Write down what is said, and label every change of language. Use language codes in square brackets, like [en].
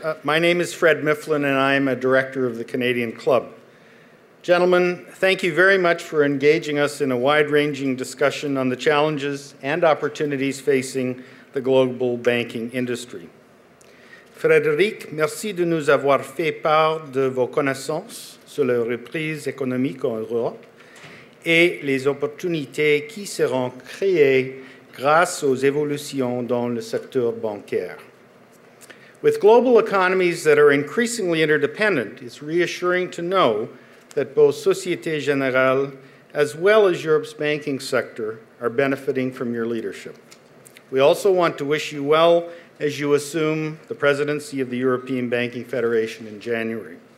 [en] My name is Fred Mifflin, and I am a director of the Canadian Club. Gentlemen, thank you very much for engaging us in a wide-ranging discussion on the challenges and opportunities facing the global banking industry. [fr] Frédéric, merci de nous avoir fait part de vos connaissances sur la reprise économique en Europe et les opportunités qui seront créées grâce aux évolutions dans le secteur bancaire. [en] With global economies that are increasingly interdependent, it's reassuring to know that both Société Générale as well as Europe's banking sector are benefiting from your leadership. We also want to wish you well as you assume the presidency of the European Banking Federation in January.